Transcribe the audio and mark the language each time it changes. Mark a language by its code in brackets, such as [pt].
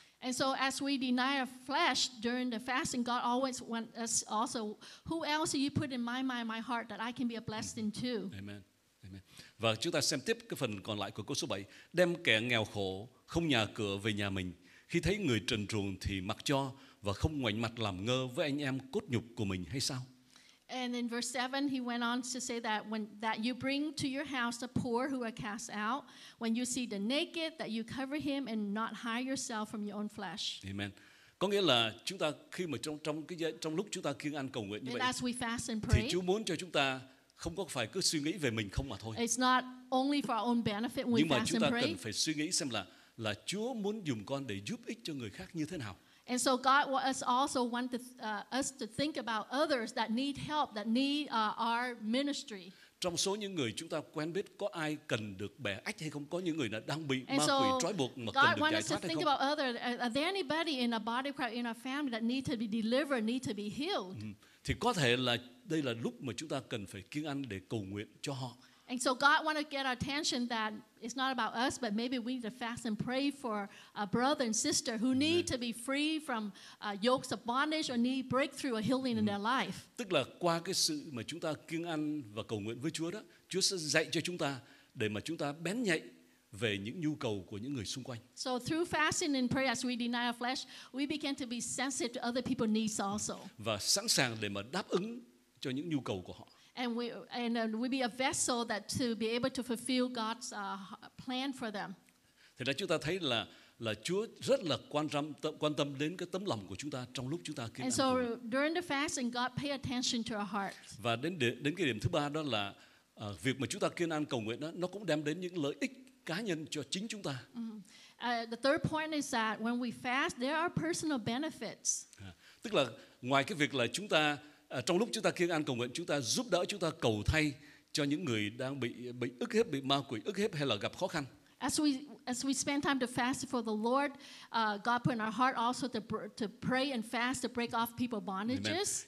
[en] And so as we deny our flesh during the fasting, God always wants us also, who else do you put in my heart that I can be a blessing to? Amen. Amen. [vi] Và chúng ta xem tiếp cái phần còn lại của câu số 7, đem kẻ nghèo khổ không nhà cửa về nhà mình, khi thấy người trần truồng thì mặc cho và không ngoảnh mặt làm ngơ với anh em cốt nhục của mình hay sao? [en] And in verse 7, he went on to say that when that you bring to your house the poor who are cast out, when you see the naked, that you cover him and not hide yourself from your own flesh. Amen. [vi] Có nghĩa là chúng ta khi mà trong lúc chúng ta kiêng ăn cầu nguyện như [en] and as we fast and pray, [vi] thì Chúa muốn cho chúng ta không có phải cứ suy nghĩ về mình không mà thôi. [en] It's not only for our own benefit when [vi] nhưng [en] we fast and pray. [vi] Nhưng mà chúng ta cần phải suy nghĩ xem là Chúa muốn dùng con để giúp ích cho người khác như thế nào. [en] And so God wants also want to, us to think about others that need help, that need our ministry. [vi] Trong số những người chúng ta quen biết, có ai cần được bẻ ách hay không? Có những người đang bị ma quỷ trói buộc mà cần được giải thoát hay không? [en] About others. Are there anybody in a body part in our family that need to be delivered, need to be healed? [vi] Thì có thể là đây là lúc mà chúng ta cần phải kiêng ăn để cầu nguyện cho họ. [en] And so God wants to get our attention that it's not about us, but maybe we need to fast and pray for a brother and sister who need to be free from yokes of bondage or need breakthrough or healing in their life. [vi] Tức là qua cái sự mà chúng ta kiêng ăn và cầu nguyện với Chúa đó, Chúa sẽ dạy cho chúng ta để mà chúng ta bén nhạy về những nhu cầu của những người xung quanh. [en] So through fasting and prayer, as we deny our flesh, we begin to be sensitive to other people's needs also. [vi] Và sẵn sàng để mà đáp ứng cho những nhu cầu của họ. [en] And we be a vessel that to be able to fulfill God's plan for them. [vi] Thì đó chúng ta thấy là Chúa rất là quan tâm đến cái tấm lòng của chúng ta trong lúc chúng ta kiên ăn. [en] And so during the fasting, God pay attention to our hearts. [vi] Và đến cái điểm thứ ba đó là việc mà chúng ta kiên ăn cầu nguyện đó, nó cũng đem đến những lợi ích cá nhân cho chính chúng ta. [en] The third point is that when we fast, there are personal benefits. [vi] Tức là ngoài cái việc là chúng ta trong lúc chúng ta kiêng ăn cầu nguyện, chúng ta giúp đỡ, chúng ta cầu thay cho những người đang bị ức hiếp, bị ma quỷ ức hiếp hay là gặp khó khăn. [en] As we spend time to fast for the Lord, God put in our heart also to pray and fast to break off people's bondages.